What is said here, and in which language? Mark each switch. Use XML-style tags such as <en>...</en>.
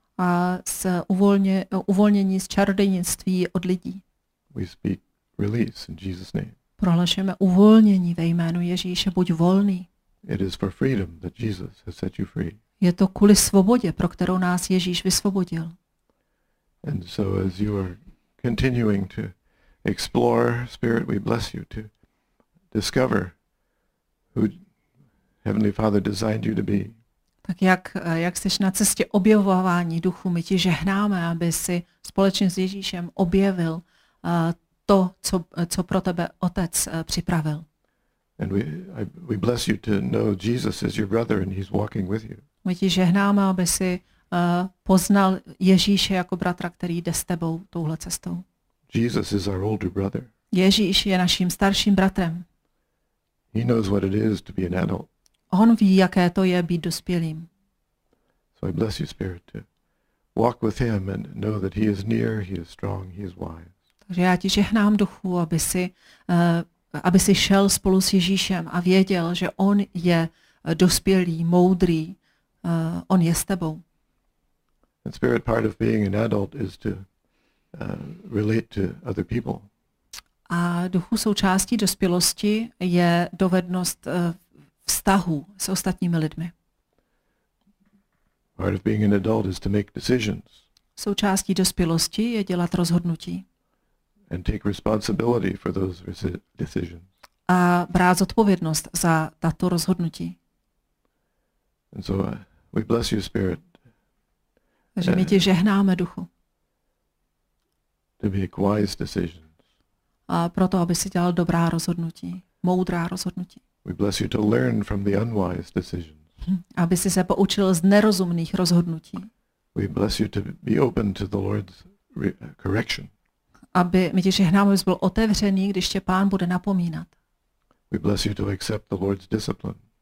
<cs>A z uvolnění z čarodějnictví od lidí.</cs> <en>We speak release in Jesus' name.</en> <cs>Prohlašujeme uvolnění ve jménu Ježíše, buď volný.</cs> <en>It is for freedom that Jesus has set you free.</en> <cs>Je to kvůli svobodě, pro kterou nás Ježíš vysvobodil.</cs> <en>And so as you are continuing to explore, Spirit, we bless you to discover who Heavenly Father designed you to be.</en> <cs>Tak jak jsi na cestě objevování duchu, my ti žehnáme, aby si společně s Ježíšem objevil to, co pro tebe Otec připravil.</cs> <en>And we bless you to know Jesus as your brother and he's walking with you.</en> <cs>My ti žehnáme, aby si poznal Ježíše jako bratra, který jde s tebou touhle cestou.</cs> <en>Jesus is our older brother.</en> <cs>Ježíš je naším starším bratrem.</cs> <en>He knows what it is to be an adult.</en> <cs>On ví, jaké to je být dospělým.</cs> <en>So I bless you, Spirit, to walk with him and know that he is near, he is strong, he is wise.</en> <cs>Takže já ti žehnám, duchu, aby si šel spolu s Ježíšem a věděl, že on je dospělý, moudrý, on je s tebou.</cs> <en>And spirit, part of being an adult is to relate to other people.</en> <cs>A duchu, součástí dospělosti je dovednost vztahu s ostatními lidmi.</cs> <en>Part of being an adult is to make decisions.</en> <cs>Součástí dospělosti je dělat rozhodnutí.</cs> <en>And take responsibility for those decisions.</en> <cs>A brát zodpovědnost za tato rozhodnutí.</cs> <en>And so we bless you, Spirit.</en> <cs>Takže my ti žehnáme, duchu.</cs> <en>To make wise decisions.</en> <cs>A proto, aby si dělal dobrá rozhodnutí, moudrá rozhodnutí.</cs> <en>We bless you to learn from the unwise decisions.</en> <cs>Aby si se poučil z nerozumných rozhodnutí.</cs> <en>We bless you to be open to the Lord's correction.</en> <cs>Aby my ti žehnáme, abys byl otevřený, když tě Pán bude napomínat.</cs> <en>We bless you to accept the Lord's discipline.</en>